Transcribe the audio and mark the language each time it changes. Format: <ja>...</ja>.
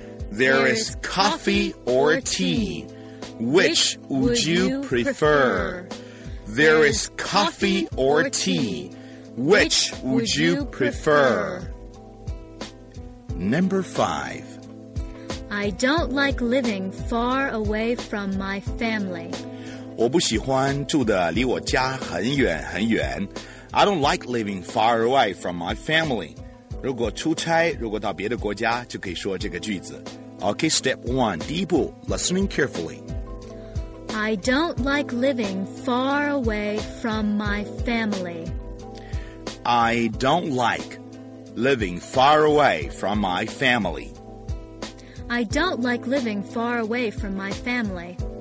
<en>There is coffee or tea. Which would you prefer? There is coffee or tea. Which would you prefer? Number 5. I don't like living far away from my family.</en> <zh>我不喜欢住得离我家很远很远。</zh> <en>I don't like living far away from my family.</en> <zh>如果出差，如果到别的国家，就可以说这个句子。</zh> <en>Okay, step 1,</en> <zh>第一步,</zh> <en>listening carefully. I don't like living far away from my family. I don't like living far away from my family. I don't like living far away from my family.</en>